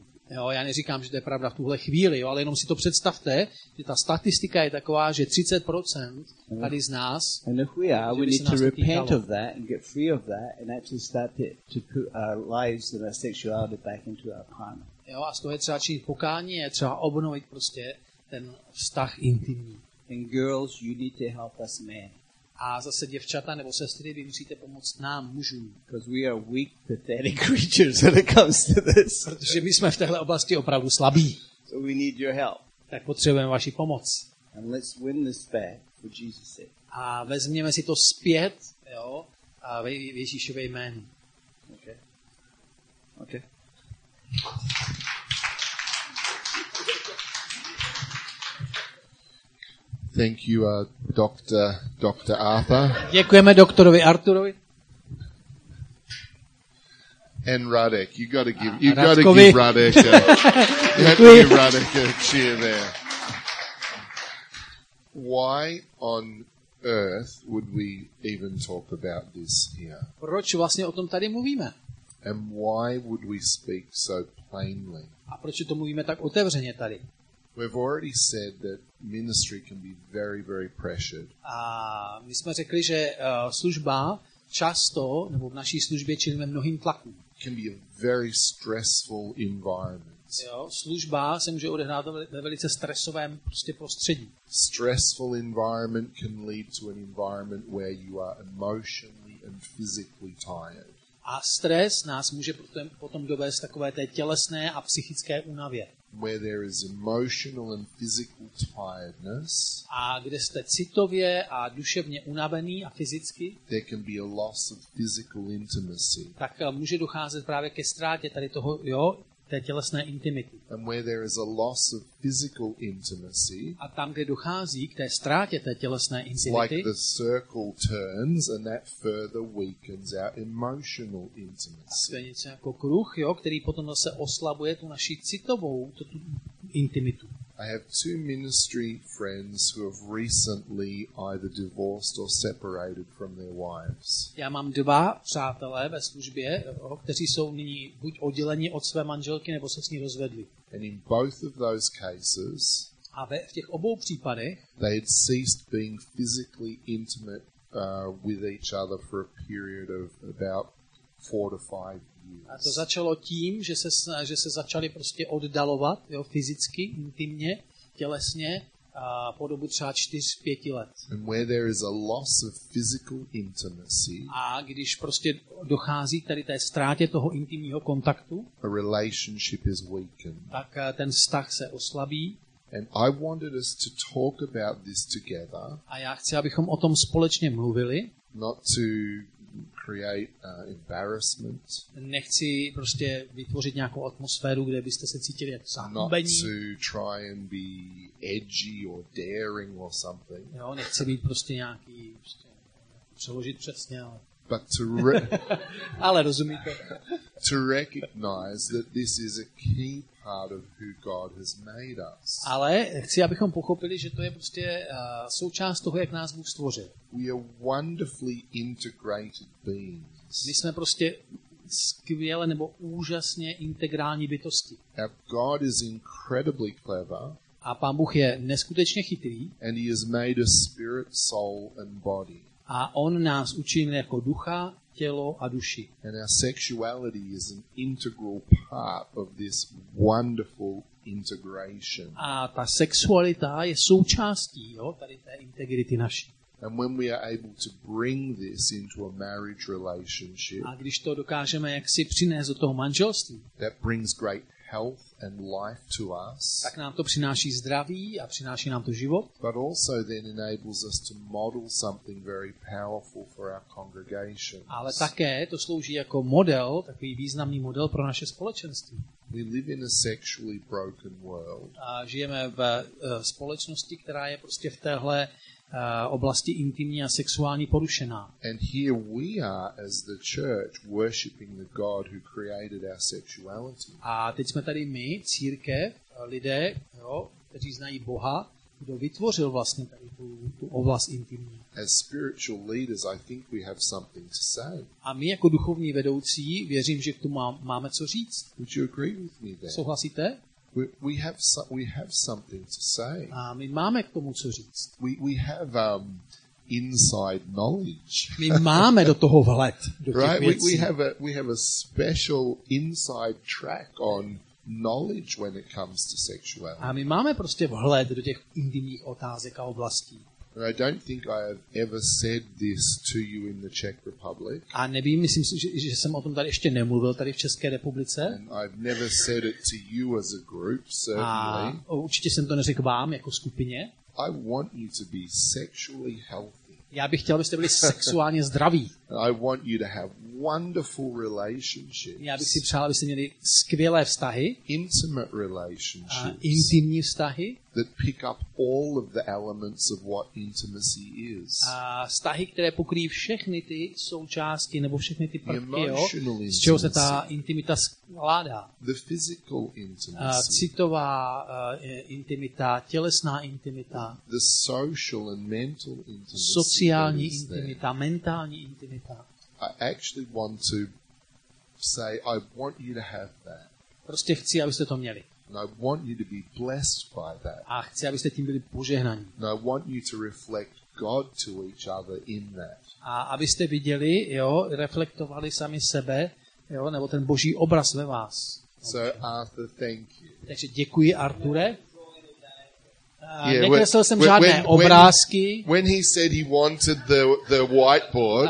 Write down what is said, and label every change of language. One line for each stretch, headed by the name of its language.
Czech: Jo, já neříkám, že to je pravda v tuhle chvíli, jo, ale jenom si to představte, že ta statistika je taková, že 30% tady z nás, jo, a z toho je třeba činit pokání, je třeba obnovit prostě ten vztah intimní.
English: And girls, you need to help us men.
Czech: A zase děvčata nebo sestry, vy musíte pomoct nám mužům.
English: Because we are weak, pathetic creatures when it comes to this.
Czech: Protože my jsme v téhle oblasti opravdu slabí.
English: So we need your help.
Czech: Tak potřebujeme vaši pomoc.
English: And let's win this back for Jesus' sake.
Czech: A vezměme si to zpět, jo, a v Ježíšově jménu.
English: Okay. Okay. Thank you, Dr. Arthur.
Czech: Děkujeme doktorovi Arturovi.
English: And Radek, you got to give, you got to give Radek a, you got to give Radek a cheer there. Why on earth would we even talk about this here?
Czech: Proč vlastně o tom tady mluvíme?
English: And why would we speak so plainly?
Czech: A proč to mluvíme tak otevřeně tady?
English: We've already said that ministry can be very, very pressured.
Czech: A my jsme řekli, že služba často, nebo v naší službě čelíme mnohým tlakům.
English: Can be a very stressful environment.
Czech: Jo, služba se může odehrát ve velice stresovém prostě prostředí.
English: Stressful environment can lead to an environment where you are emotionally and physically tired.
Czech: A stres nás může potom dovést takové té tělesné a psychické únavě.
English: Where there is emotional and physical tiredness.
Czech: A kde jste citově a duševně unavený a fyzicky?
English: There can be a loss of physical intimacy.
Czech: Tak může docházet právě ke ztrátě tady toho, jo, té tělesné intimity.
English: And where there is a loss of physical intimacy.
Czech: A tam, kde dochází k té ztrátě té tělesné intimity.
English: Like the circle turns and that further weakens our emotional intimacy.
Czech: A něco jako kruh, jo, který potom zase oslabuje tu naši citovou tu intimitu.
English: I have two ministry friends who have recently either divorced or separated from their wives.
Czech: Já mám dva přátelé ve službě, jo, kteří jsou nyní buď odděleni od své manželky nebo se s ní rozvedli.
English: And in both of those cases,
Czech: a v těch obou případech,
English: they had ceased being physically intimate with each other for a period of about 4 to 5 years.
Czech: A to začalo tím, že se začali prostě oddalovat, jo, fyzicky, intimně, tělesně, po dobu třeba 4-5 let.
English: And where there is a loss of physical intimacy,
Czech: a když prostě dochází tady té ztrátě toho intimního kontaktu,
English: a relationship is weakened.
Czech: Tak ten vztah se oslabí.
English: And I wanted us to talk about this together.
Czech: A já chci, abychom o tom společně mluvili.
English: Not to create embarrassment.
Czech: Nechci prostě vytvořit nějakou atmosféru, kde byste se cítili jako zahubení.
English: Not to try and be edgy or daring or something.
Czech: Jo, nechci být prostě nějaký, prostě přeložit přesně, ale...
English: But to
Czech: ale rozumíte.
English: To recognize that this is a key part of who God has made us.
Czech: Ale chci, abychom pochopili, že to je prostě součást toho, jak nás Bůh stvořil.
English: We are wonderfully integrated beings.
Czech: My jsme prostě skvěle nebo úžasně integrální bytosti.
English: Now God is incredibly clever.
Czech: A Pán Bůh je neskutečně chytrý.
English: And he has made us spirit, soul and body.
Czech: A on nás učinil jako ducha, tělo a duši.
English: And our sexuality is an integral part of this wonderful integration.
Czech: A ta sexualita je součástí, jo, tady té integrity naší.
English: And when we are able to bring this into a marriage relationship.
Czech: A když to dokážeme jaksi přinést do toho manželství.
English: That brings great health and life to us.
Czech: Tak nám to přináší zdraví a přináší nám to život.
English: But also then enables us to model something very powerful for our congregation.
Czech: Ale také to slouží jako model, takový významný model pro naše společenství.
English: We live in a sexually broken world.
Czech: A žijeme v společnosti, která je prostě v téhle oblasti intimní a sexuální porušená.
English: And here we are as the church worshiping the God who created our sexuality.
Czech: A teď jsme tady my, církev, lidé, jo, kteří znají Boha, kdo vytvořil vlastně tady tu oblast intimní.
English: As spiritual leaders, I think we have something to say.
Czech: A my jako duchovní vedoucí věřím, že k tomu máme co říct.
English: Would you agree with me then?
Czech: Souhlasíte?
English: We have something to say.
Czech: A my máme k tomu co říct.
English: We have inside knowledge.
Czech: My máme do toho vhled, do těch věcí.
English: Right? We have a special inside track on knowledge when it comes to sexuality.
Czech: A my máme prostě vhled do těch intimních otázek a oblastí.
English: I don't think I have ever said this to you in the Czech Republic.
Czech: A nevím, myslím si, že jsem o tom tady ještě nemluvil tady v České republice.
English: And I've never said it to you as a group, certainly.
Czech: A určitě jsem to neřekl vám jako skupině.
English: I want you to be sexually healthy.
Czech: Já bych chtěl, abyste byli sexuálně zdraví.
English: I want you to have wonderful relationships.
Czech: Já bych si přál, abyste měli skvělé vztahy.
English: Intimate relationships.
Czech: Intimní vztahy.
English: That pick up all of the elements of what intimacy is.
Czech: Vztahy, které pokryjí všechny ty součásti nebo všechny ty prvky, jo, z čeho se ta intimita skládá.
English: The physical intimacy.
Czech: Citová intimita, tělesná intimita.
English: The social and mental intimacy.
Czech: Sociální intimita, mentální intimita.
English: I actually want to say I want you to have that.
Czech: Prostě chci, abyste to měli.
English: And I want you to be blessed by that.
Czech: A chci, abyste tím byli požehnaní.
English: And I want you to reflect God to each other in that.
Czech: A abyste viděli, jo, reflektovali sami sebe, jo, nebo ten Boží obraz ve vás.
English: So Arthur, thank you.
Czech: Takže děkuji, Arture. Yeah, nekresl jsem žádné obrázky.
English: When he said he wanted the whiteboard,